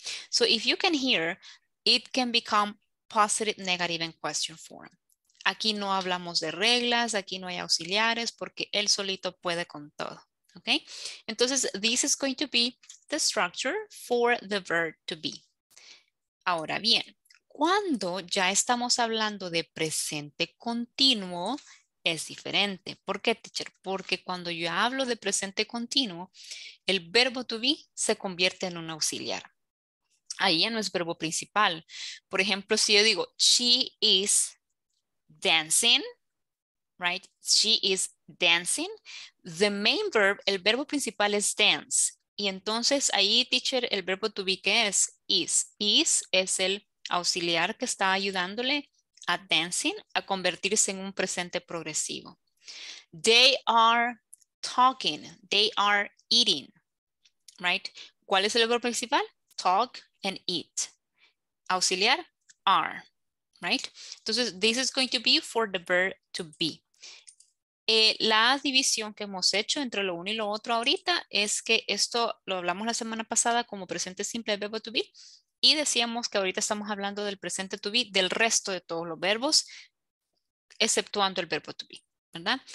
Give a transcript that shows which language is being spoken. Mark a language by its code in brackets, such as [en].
[en] So if you can hear, it can become positive, negative, and question form. [es] Aquí no hablamos de reglas, aquí no hay auxiliares, porque él solito puede con todo, okay? [en] Entonces, this is going to be the structure for the verb to be. [es] Ahora bien, cuando ya estamos hablando de presente continuo, es diferente. ¿Por qué, teacher? Porque cuando yo hablo de presente continuo, el verbo to be se convierte en un auxiliar. Ahí ya no es verbo principal. Por ejemplo, si yo digo, [en] she is dancing, [es] right? [en] She is dancing. The main verb, [es] el verbo principal es dance. Y entonces ahí, teacher, el verbo to be, ¿qué es? Is. Is es el auxiliar que está ayudándole a dancing a convertirse en un presente progresivo. [en] They are talking. They are eating. Right? [es] ¿Cuál es el verbo principal? [en] Talk and eat. Auxiliar, are. Right? Entonces, this is going to be for the verb to be. [es] La división que hemos hecho entre lo uno y lo otro ahorita es que esto lo hablamos la semana pasada como presente simple del verbo to be y decíamos que ahorita estamos hablando del presente to be del resto de todos los verbos exceptuando el verbo to be, ¿verdad?